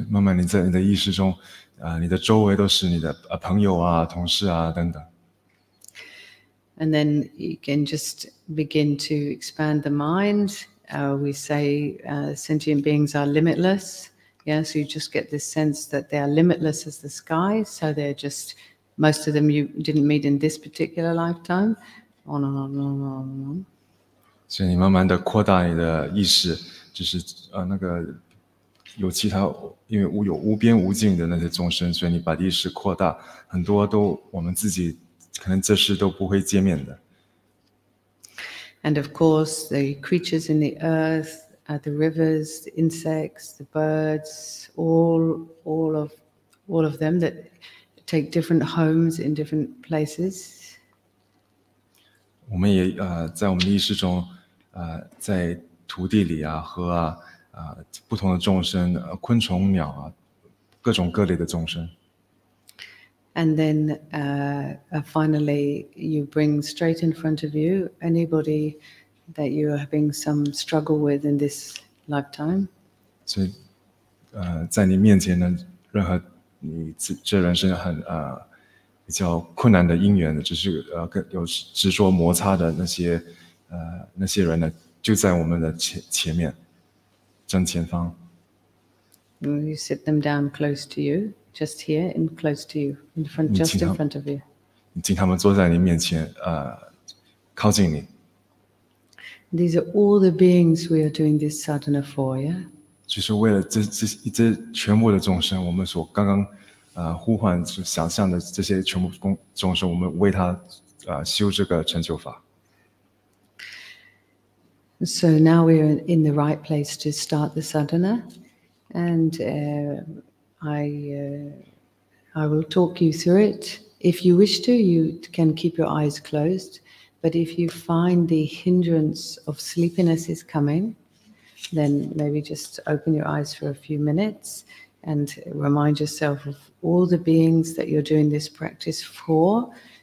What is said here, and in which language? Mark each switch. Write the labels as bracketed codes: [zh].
[zh] 慢慢你在你的意识中，你的周围都是你的朋友啊、同事啊等等。 [en] And then you can just begin to expand the mind. We say sentient beings are limitless. Yeah, so you just get this sense that they are limitless as the sky. So they're just, most of them you didn't meet in this particular lifetime. On and on and on and on. [zh] 所以你慢慢的扩大你的意识，就是那个有其他，因为有无边无尽的那些众生，所以你把意识扩大，很多都我们自己可能这世都不会见面的。 [en] And of course, the creatures in the earth, the rivers, the insects, the birds, all of them that take different homes in different places. [zh] 我们也在我们的意识中，在土地里啊，河啊，不同的众生，昆虫、鸟啊，各种各类的众生。 [en] And then finally, you bring straight in front of you anybody that you are having some struggle with in this lifetime. [zh] 所以，在你面前呢，任何你这人生很比较困难的因缘的，只是有执着摩擦的那些人呢，就在我们的前面，正前方。 [en] You sit them down close to you. Just here, in close to you, in front, just in front of you. [zh] 你请他们坐在你面前，靠近你。 [en] These are all the beings we are doing this sadhana for, yeah. [zh] 就是为了这全部的众生，我们所刚刚，呼唤、想象的这些全部众生，我们为他，修这个成就法。 [en] So now we are in the right place to start the sadhana, and. I will talk you through it. If you wish to, you can keep your eyes closed. But if you find the hindrance of sleepiness is coming, then maybe just open your eyes for a few minutes and remind yourself of all the beings that you're doing this practice for.